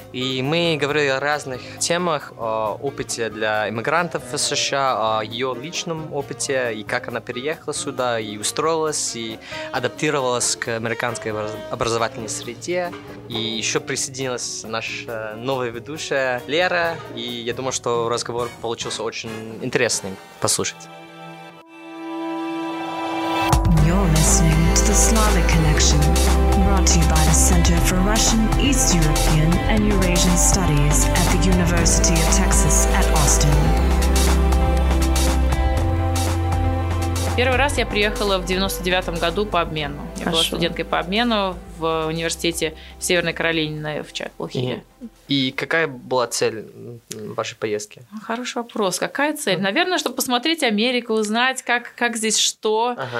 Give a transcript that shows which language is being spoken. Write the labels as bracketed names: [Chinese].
[Russian] И мы говорили о разных темах, о опыте для иммигрантов в США, о ее личном опыте, и как она переехала сюда, и устроилась, и адаптировалась к американской образовательной среде. И еще присоединилась наша новая ведущая Лера, и я думаю, что разговор получился очень интересным послушать. [English] You're listening to the Slavic Connection, brought to you by the Center for Russian, East European and Eurasian Studies at the University of Texas at Austin. [Russian] Первый раз я приехала в 99-м году по обмену. Я была студенткой по обмену в университете в Северной Каролине в Чапл-Хилле. И какая была цель вашей поездки? Хороший вопрос. Какая цель? Mm-hmm. Наверное, чтобы посмотреть Америку, узнать, как здесь что.